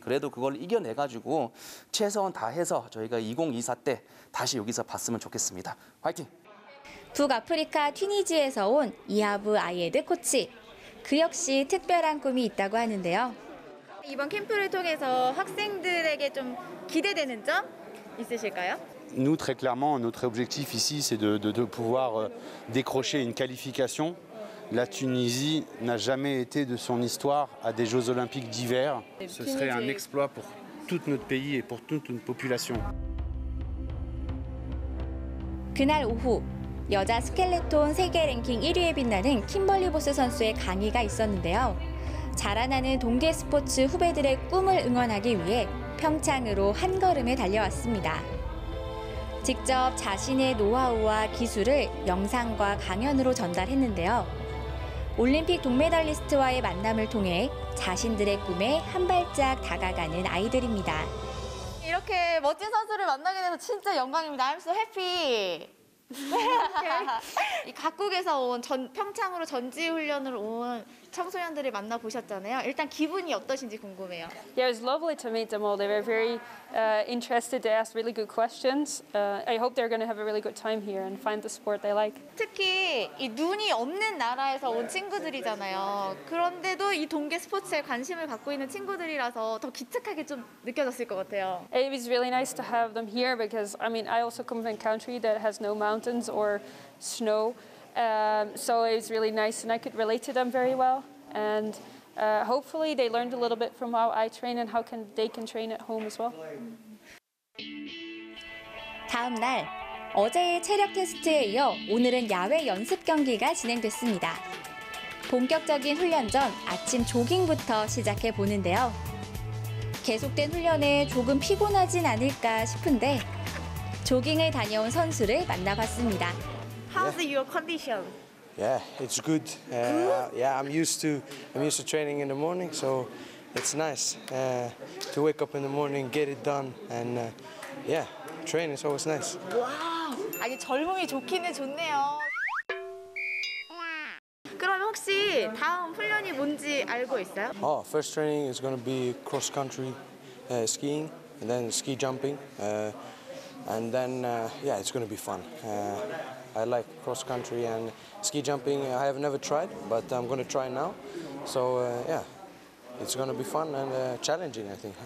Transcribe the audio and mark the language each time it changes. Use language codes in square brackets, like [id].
[ko] 그래도 그걸 이겨내가지고 최선 다해서 저희가 2024 때 다시 여기서 봤으면 좋겠습니다. 화이팅! 북아프리카 튀니지에서 온 이하브 아이에드 코치. 그 역시 특별한 꿈이 있다고 하는데요. 이번 캠프를 통해서 학생들에게 좀 기대되는 점 있으실까요? [fr] Nous très clairement notre objectif ici c'est de pouvoir décrocher une qualification. La Tunisie n'a jamais été de son histoire à des Jeux olympiques d'hiver. Ce serait un exploit pour tout notre pays et pour toute notre population. [ko] 그날 오후 여자 스켈레톤 세계 랭킹 1위에 빛나는 킴벌리 보스 선수의 강의가 있었는데요. 자라나는 동계 스포츠 후배들의 꿈을 응원하기 위해 평창으로 한 걸음에 달려왔습니다. 직접 자신의 노하우와 기술을 영상과 강연으로 전달했는데요. 올림픽 동메달리스트와의 만남을 통해 자신들의 꿈에 한 발짝 다가가는 아이들입니다. 이렇게 멋진 선수를 만나게 돼서 진짜 영광입니다. [en] I'm so happy. [ko] 이 각국에서 온 평창으로 전지훈련을 온 청소년들을 만나 보셨잖아요. 일단 기분이 어떠신지 궁금해요. [en] Yeah, it was lovely to meet them all. They were very interested to ask really good questions. I hope they're going to have a really good time here and find the sport they like. [ko] 특히 이 눈이 없는 나라에서 온 친구들이잖아요. 그런데도 이 동계 스포츠에 관심을 갖고 있는 친구들이라서 더 기특하게 좀 느껴졌을 것 같아요. [en] It was really nice to have them here because I mean I also come from a country that has no mountains or snow. So it was really nice and I could relate to them very well and hopefully they learned a little bit from how I train and how they can train at home as well. [ko] 다음 날 어제의 체력 테스트에 이어 오늘은 야외 연습 경기가 진행됐습니다. 본격적인 훈련 전 아침 조깅부터 시작해 보는데요. 계속된 훈련에 조금 피곤하진 않을까 싶은데 조깅을 다녀온 선수를 만나봤습니다. [en] How's yeah. your condition? Yeah, it's good. I'm used to training in the morning, so it's nice to wake up in the morning, get it done, and yeah, train is always nice. [ko] Wow, 아니 젊음이 좋기는 좋네요. 그럼 혹시 다음 훈련이 뭔지 알고 있어요? [en] Oh, first training is going to be cross country skiing, and then ski jumping, and then yeah, it's going to be fun. I like cross country and ski jumping. I have never tried, but I'm going to try now. So yeah, it's going to be fun and challenging, I think.